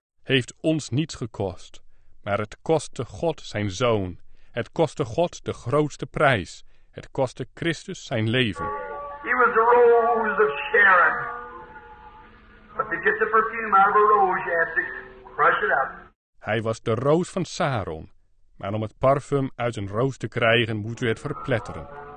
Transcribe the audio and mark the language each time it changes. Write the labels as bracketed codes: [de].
[nl] Heeft ons niets gekost, maar het kostte God zijn zoon. Het kostte God de grootste prijs. Het kostte Christus zijn leven. [en] He was the rose of Sharon. But to get the perfume out of a rose, you have to... [nl] Hij was de roos van Saron, maar om het parfum uit een roos te krijgen, moet u het verpletteren.